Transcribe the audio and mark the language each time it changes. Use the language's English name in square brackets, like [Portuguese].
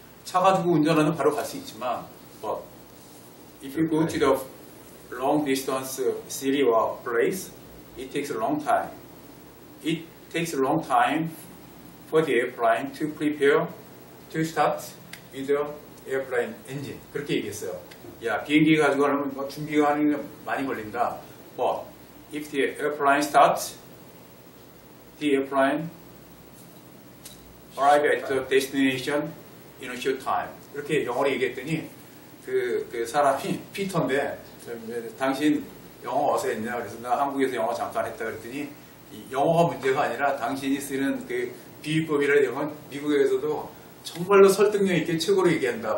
[Korean] 차 가지고 운전하는 바로 갈 수 있지만, [English] but if you go to the long distance city or place, it takes a long time. It takes a long time for the airplane to prepare to start with the airplane engine. [Korean] 그렇게 얘기했어요. 야, 비행기 가지고 가려면 뭐 준비가 하는 게 많이 걸린다. [English] But if the airplane starts, the airplane arrive at the destination in a short time. [Korean] 이렇게 영어로 얘기했더니 그 사람이 피터인데 당신 영어 어디서 했냐? 그래서 나 한국에서 영어 잠깐 했다 그랬더니 영어가 문제가 아니라 당신이 쓰는 그 비유법이라는 건 미국에서도 정말로 설득력 있게 최고로 얘기한다.